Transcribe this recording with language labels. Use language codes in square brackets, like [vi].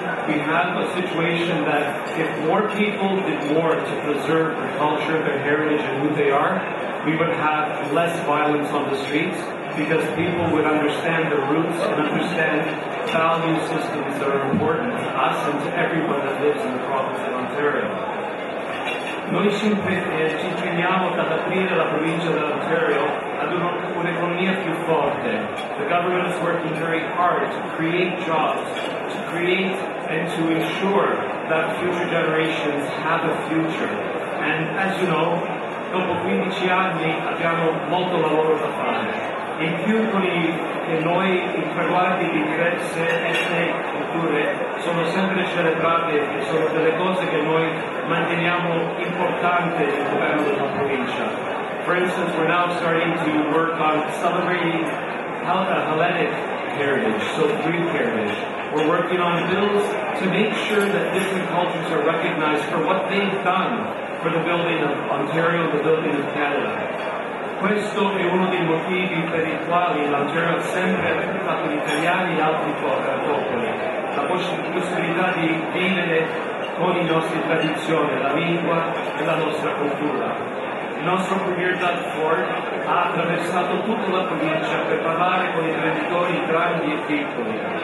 [en] We have a situation that if more people did more to preserve the culture, their heritage, and who they are, we would have less violence on the streets, because people would understand the roots and understand value systems that are important to us and to everyone that lives in the province of Ontario. [it] Noi ci impegniamo ad aprire la provincia dell'Ontario ad un'economia più forte. [en] The government is working very hard to create jobs, to create and to ensure that future generations have a future. And as you know, [it] dopo 15 anni abbiamo molto lavoro da fare. In più con I che noi I traguardi di diverse etnie culture sono sempre celebrate e sono delle cose che noi manteniamo importante nel governo della provincia. [en] For instance, we're now starting to work on celebrating Hellenic heritage, so Greek heritage. We're working on bills to make sure that different cultures are recognized for what they've done for the building of Ontario, the building of Canada. [it] Questo è uno dei motivi per I quali l'Ontario ha sempre aiutato gli italiani e altri popoli. La possibilità di vivere con le nostre tradizioni, la lingua e la nostra cultura. Il nostro Premier Doug Ford ha attraversato tutta la provincia per parlare con I imprenditori grandi e piccoli.